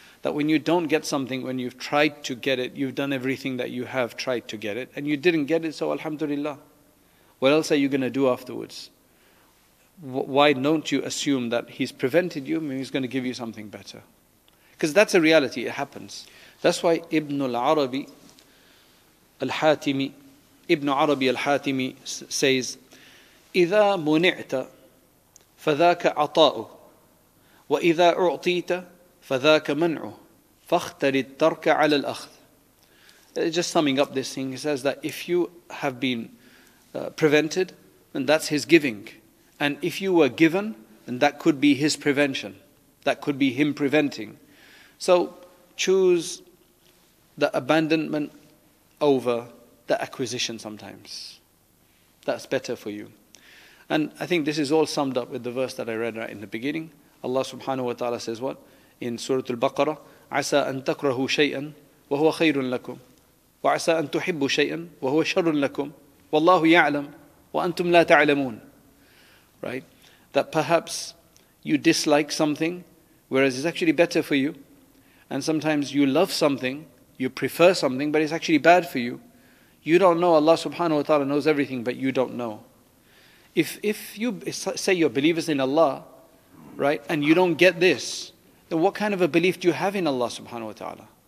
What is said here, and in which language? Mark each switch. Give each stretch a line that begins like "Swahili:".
English: That when you don't get something, when you've tried to get it, you've done everything that you have tried to get it, and you didn't get it, so alhamdulillah. What else are you going to do afterwards? Why don't you assume that He's prevented you, maybe He's going to give you something better? Because that's a reality, it happens. That's why Ibn Arabi al-Hatimi says,
Arabic: إِذَا مُنِعْتَ فَذَاكَ عَطَاءُ وَإِذَا أُعْطِيتَ فَذَاكَ مَنْعُ فَاخْتَرِ التَّرْكَ عَلَى الْأَخْذِ.
English: Just summing up this thing, he says that if you have been prevented, then that's His giving. And if you were given, then that could be His prevention. That could be Him preventing. So choose the abandonment over the acquisition sometimes. That's better for you. And I think this is all summed up with the verse that I read right in the beginning. Allah subhanahu wa ta'ala says what? In Surah Al-Baqarah,
Arabic: عَسَىٰ أَن تَكْرَهُ شَيْئًا وَهُوَ خَيْرٌ لَكُمْ وَعَسَىٰ أَن تُحِبُّ شَيْئًا وَهُوَ شَرٌ لَكُمْ وَاللَّهُ يَعْلَمْ وَأَنْتُمْ لَا تَعْلَمُونَ.
English: Right? That perhaps you dislike something, whereas it's actually better for you. And sometimes you love something, you prefer something, but it's actually bad for you. You don't know. Allah subhanahu wa ta'ala knows everything, but you don't know. If you say you're believers in Allah, right, and you don't get this, then what kind of a belief do you have in Allah subhanahu wa ta'ala?